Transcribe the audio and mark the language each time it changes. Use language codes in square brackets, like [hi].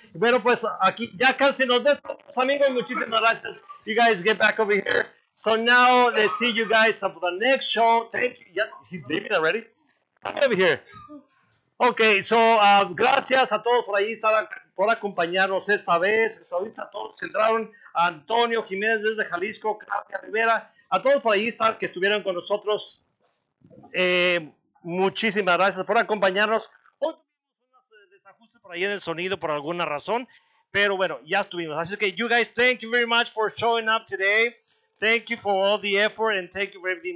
[es] Bueno, pues aquí ya casi nos vemos, amigos. Muchísimas gracias. [en] You guys get back over here. So now let's see you guys for the next show. Thank you. Yeah, he's leaving already. Come over here. Okay, so [es] gracias a todos por ahí estar, por acompañarnos esta vez. Ahorita todos entraron. Antonio Jiménez desde Jalisco, Claudia Rivera. A todos por ahí estar que estuvieron con nosotros. Muchísimas gracias por acompañarnos. Hoy tuvimos unos desajustes por ahí en el sonido por alguna razón, pero bueno, ya estuvimos. Así que, [en] you guys, thank you very much for showing up today. Thank you for all the effort and thank you very much.